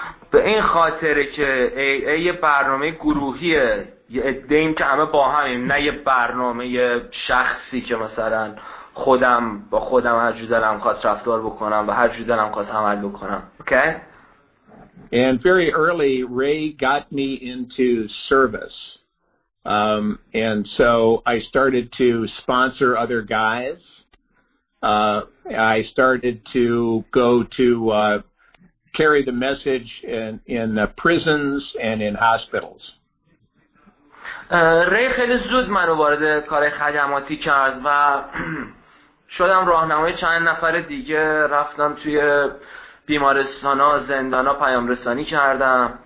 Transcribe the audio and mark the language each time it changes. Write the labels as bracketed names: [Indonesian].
[Persian] به این خاطره که AA یه برنامه گروهیه، یه ادیم که همه با همیم، نه یه برنامه شخصی که مثلا خودم با خودم هر جور دلم خواست رفتار بکنم و هر جور دلم خواست عمل بکنم. [English] Okay? And very early, Ray got me into service. And so I started to sponsor other guys. I started to go to carry the message in the prisons and in hospitals. [Persian] Ray خیلی زود منو وارد کار خدماتی کرد و شدم راهنمای چند نفر دیگه، رفتم توی بیمارستانا، زندانا پیام رسانی کردم.